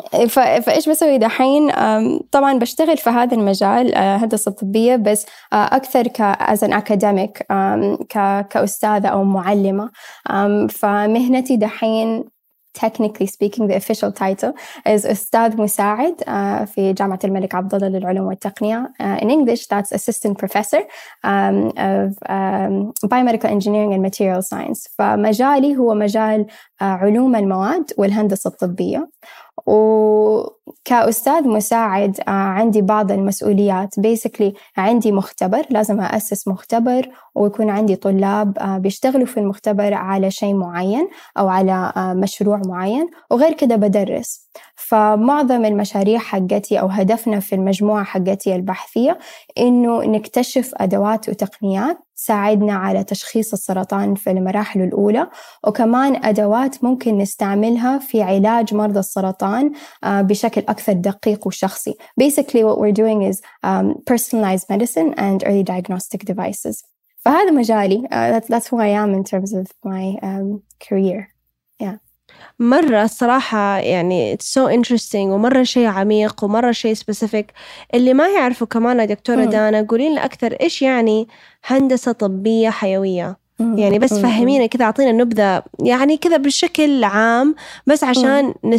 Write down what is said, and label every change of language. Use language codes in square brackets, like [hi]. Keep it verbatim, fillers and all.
[ar] فإيش بسوي دحين؟ طبعاً بشتغل في هذا المجال هندسة طبية، بس أكثر [en] as an academic [ar] كأستاذة أو معلمة. فمهنتي دحين [en] technically speaking the official title is [ar] أستاذ مساعد في جامعة الملك عبدالله للعلوم والتقنية. [en] In English that's assistant professor of biomedical engineering and material science. [ar] فمجالي هو مجال علوم المواد والهندسة الطبية، وكأستاذ مساعد عندي بعض المسؤوليات. basically عندي مختبر، لازم أأسس مختبر ويكون عندي طلاب بيشتغلوا في المختبر على شيء معين أو على مشروع معين، وغير كده بدرس. فمعظم المشاريع حقتي أو هدفنا في المجموعة حقتي البحثية إنه نكتشف أدوات وتقنيات ساعدنا على تشخيص السرطان في المراحل الأولى، وكمان أدوات ممكن نستعملها في علاج مرضى السرطان بشكل أكثر دقيق وشخصي. [en] Basically what we're doing is um, personalized medicine and early diagnostic devices. [ar] فهذا مجالي. [en] uh, that, that's who I am in terms of my um, career. Yeah. [ar] مرة الصراحة يعني [en] it's so interesting، [ar] ومرة شيء عميق ومرة شيء specific. اللي ما يعرفوا كمان يا دكتورة م. دانا، قولين لي أكثر إيش يعني هندسة طبية حيوية؟ م. يعني بس فهمينا كذا، أعطينا نبذة يعني كذا بشكل عام، بس عشان م.